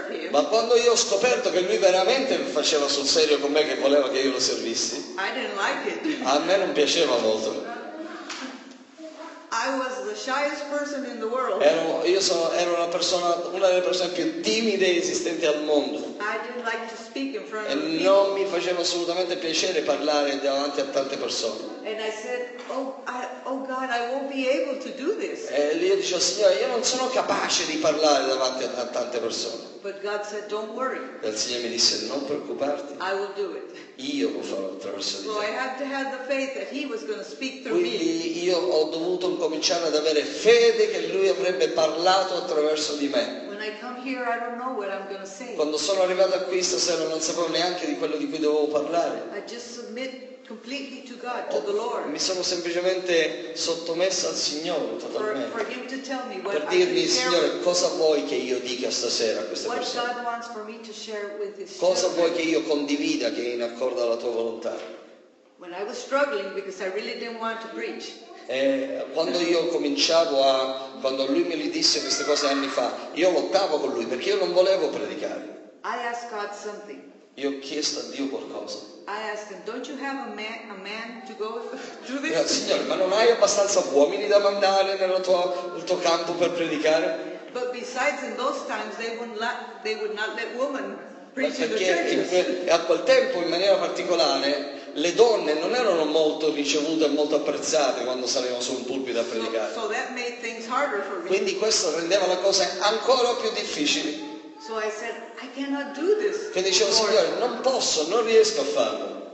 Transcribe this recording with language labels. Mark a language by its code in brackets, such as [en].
[it] Ma quando io ho scoperto che lui veramente faceva sul serio con me, che voleva che io lo servissi, [en] I didn't like it. [it] A me non piaceva molto. [en] I was the shyest person in the world. [it] Ero una persona, una delle persone più timide esistenti al mondo. [en] I didn't like to speak in front of [it] e [en] people. [it] Non mi faceva assolutamente piacere parlare davanti a tante persone. [en] And I said, oh God, I won't be able to do this. [it] E lì io dicevo, Signore, io non sono capace di parlare davanti a tante persone. [en] But God said, don't worry. [it] E il Signore mi disse, non preoccuparti. [en] I will do it. [it] Io lo farò attraverso di te. [en] So I had to have the faith that he was going to speak through me. [it] Quindi io ho dovuto cominciare ad avere fede che lui avrebbe parlato attraverso di me. [en] When I come here, I don't know what I'm going to say. [it] Quando sono arrivato qui stasera non sapevo neanche di quello di cui dovevo parlare. [en] I just submit completely to God, to the Lord. [it] Mi sono semplicemente sottomesso al Signore totalmente. [en] For him to tell me what [it] per dirmi, Signore, cosa vuoi che io dica stasera a questa [en] what [it] persona? [en] God wants for me to share with his [it] cosa [en] children? [it] Vuoi che io condivida che è in accordo alla tua volontà? [en] When I was struggling because I really didn't want to preach. [it] E quando io cominciavo a, quando lui me li disse queste cose anni fa, io lottavo con lui perché io non volevo predicare. [en] I asked God something. [it] Io ho chiesto a Dio qualcosa. [en] I asked him, don't you have a man to go do this? [it] Yeah, Signore, ma non hai abbastanza uomini da mandare nel tuo campo per predicare? [en] But besides in those times they would not let women preach in the church. [it] E a quel tempo in maniera particolare le donne non erano molto ricevute e molto apprezzate quando salivano su un pulpito a predicare. [en] So that made things harder for me. [it] Quindi questo rendeva le cose ancora più difficili. [en] So I said, I cannot do this. [it] Che dicevo, Signore, non posso, non riesco a farlo.